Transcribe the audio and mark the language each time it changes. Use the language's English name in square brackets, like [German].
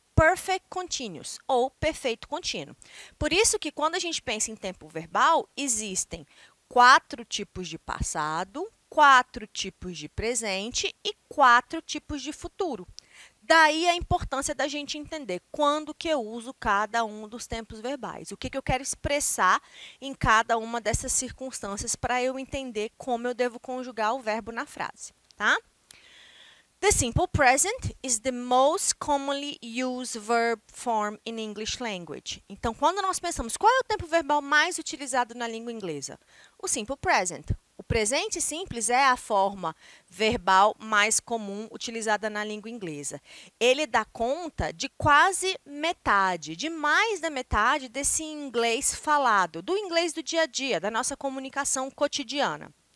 [Portuguese] Perfect continuous ou perfeito contínuo. Por isso que quando a gente pensa em tempo verbal, existem quatro tipos de passado, quatro tipos de presente e quatro tipos de futuro. Daí a importância da gente entender quando que eu uso cada um dos tempos verbais, o que que eu quero expressar em cada uma dessas circunstâncias para eu entender como eu devo conjugar o verbo na frase, tá? [English] The simple present is the most commonly used verb form in English language. [Portuguese] Então, quando nós pensamos qual é o tempo verbal mais utilizado na língua inglesa? O simple present. O presente simples é a forma verbal mais comum utilizada na língua inglesa. Ele dá conta de quase metade, de mais da metade desse inglês falado, do inglês do dia a dia, da nossa comunicação cotidiana.